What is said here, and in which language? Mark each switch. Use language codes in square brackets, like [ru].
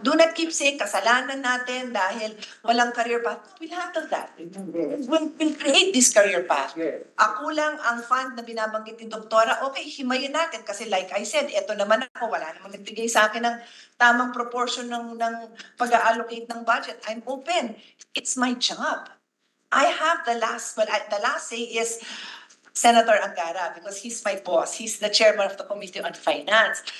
[en] Do not keep saying [tl] kasalanan natin dahil walang [en] career path. No, we'll handle that. Yeah. We'll create this career path. Yeah. [tl] Ako lang ang fund na binabanggit ni Doktora, okay, himayin natin kasi [en] like I said, [tl] eto naman ako, wala namang nagbigay sa akin ng tamang proportion ng pag-allocate ng budget. [en] I'm open. It's my job. I have the last say is Senator Angara, because he's my boss. He's the chairman of the Committee on Finance.